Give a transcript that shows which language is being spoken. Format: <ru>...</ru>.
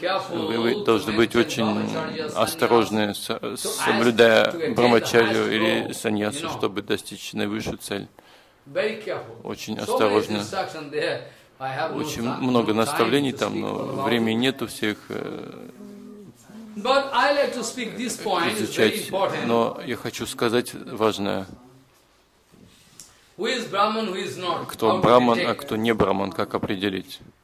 <ru>Вы должны быть очень осторожны, соблюдая брахмачарию или саньясу, чтобы достичь наивысшую цель. Очень осторожно. Очень много наставлений там, но времени нет у всех.</ru> <en>But I like to speak this point. It's very important.</en> <ru>Но я хочу сказать важное. Кто браман, а кто не браман, как определить?</ru>